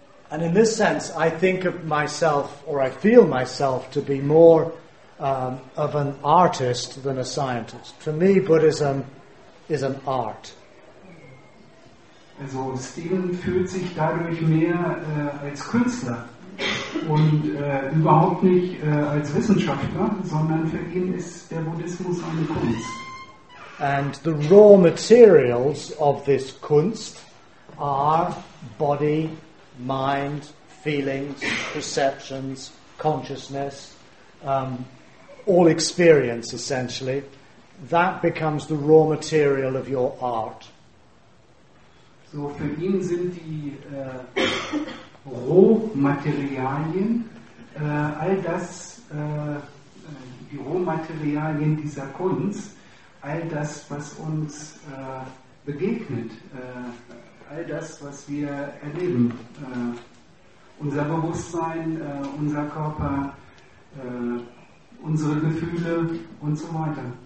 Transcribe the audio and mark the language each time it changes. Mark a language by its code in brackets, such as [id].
[en] And in this sense, I think of myself, or I feel myself, to be more of an artist than a scientist. For me, Buddhism is an art. [de] Also Stephen fühlt sich dadurch mehr als Künstler und überhaupt nicht als Wissenschaftler, sondern für ihn ist der Buddhismus eine Kunst. [en] And the raw materials of this Kunst are body, mind, feelings, perceptions, consciousness, all experience essentially. That becomes the raw material of your art. [de] So für ihn sind die Rohmaterialien all das die Rohmaterialien dieser Kunst, all das, was uns begegnet, all das, was wir erleben, unser Bewusstsein, unser Körper, unsere Gefühle und so weiter.